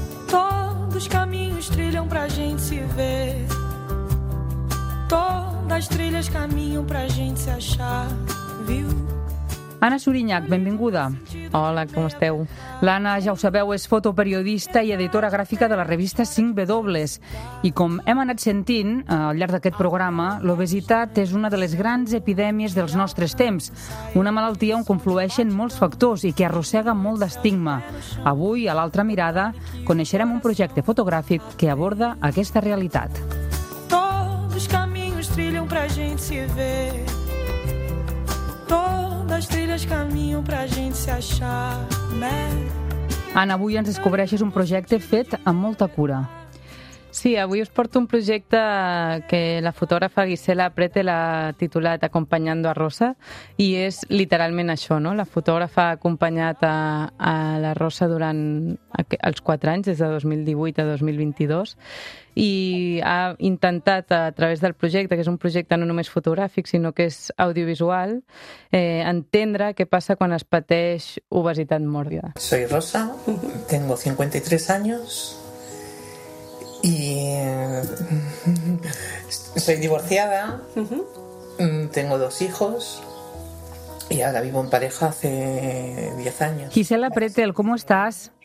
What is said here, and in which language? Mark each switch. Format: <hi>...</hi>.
<pt>Todos os caminhos trilham pra gente se ver. Todas as trilhas caminham pra gente se achar, viu?</pt> <ca>Anna Sorinyac, benvinguda. Hola, com esteu? L'Anna, ja ho sabeu, és fotoperiodista i editora gràfica de la revista 5W. I com hem anat sentint al llarg d'aquest programa, l'obesitat és una de les grans epidèmies dels nostres temps. Una malaltia on conflueixen molts factors i que arrossega molt d'estigma. Avui, a l'altra mirada, coneixerem un projecte fotogràfic que aborda aquesta realitat. Tots els camins trillen per a gent se ver.</ca> <pt>Todas trilhas caminham pra gente se achar, né?</pt> <ca>Anna, avui ens descobreixes un projecte fet amb molta cura. Sí, avui us porto un projecte que la fotògrafa Gisela Prete l'ha titulat Acompanyando a Rosa, i és literalment això, no? La fotògrafa ha acompanyat a la Rosa durant els 4 anys, des de 2018 a 2022, i ha intentat, a través del projecte, que és un projecte no només fotogràfic, sinó que és audiovisual, entendre què passa quan es pateix obesitat mòrbida.</ca> <es>Soy Rosa, tengo 53 años, y soy divorciada, tengo dos hijos y ahora vivo en pareja hace 10 años. Gisela Pretel, ¿cómo estás?</es>